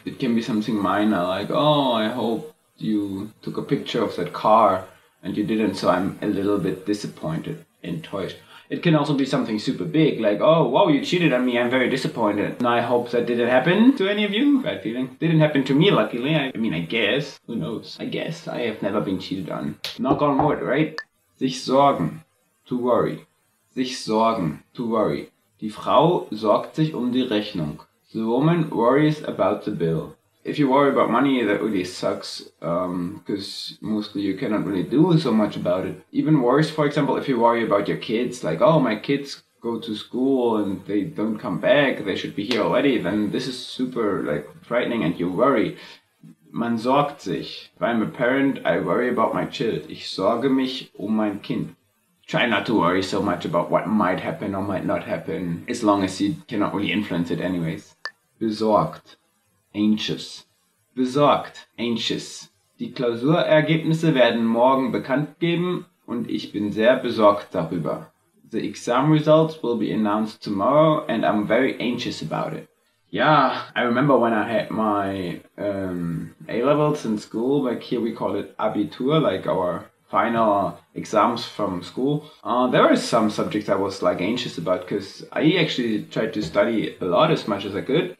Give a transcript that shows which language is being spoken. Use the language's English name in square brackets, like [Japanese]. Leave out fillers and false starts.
[English] It can be something minor, like, oh, I hope you took a picture of that car and you didn't, so I'm a little bit disappointed, enttäuscht. It can also be something super big, like, oh, wow, you cheated on me, I'm very disappointed. And I hope that didn't happen to any of you. Bad feeling. Didn't happen to me, luckily. I mean, I guess. Who knows? I guess I have never been cheated on. Knock on wood, right? [German] Sich sorgen, to worry. Sich sorgen, to worry. Die Frau sorgt sich um die Rechnung. [English] The woman worries about the bill. If you worry about money, that really sucks, because mostly you cannot really do so much about it. Even worse, for example, if you worry about your kids, like, oh, my kids go to school and they don't come back, they should be here already, then this is super, like, frightening and you worry. [German] Man sorgt sich. [English] If I'm a parent, I worry about my child. [German] Ich sorge mich um mein Kind. [English] Try not to worry so much about what might happen or might not happen, as long as you cannot really influence it anyways. [German] Besorgt. Anxious. Besorgt. Anxious. Die Klausurergebnisse werden morgen bekannt geben und ich bin sehr besorgt darüber. [English] The exam results will be announced tomorrow and I'm very anxious about it. Yeah, I remember when I had my A-levels in school, like here we call it Abitur, like our final exams from school. There were some subjects I was like anxious about because I actually tried to study a lot as much as I could.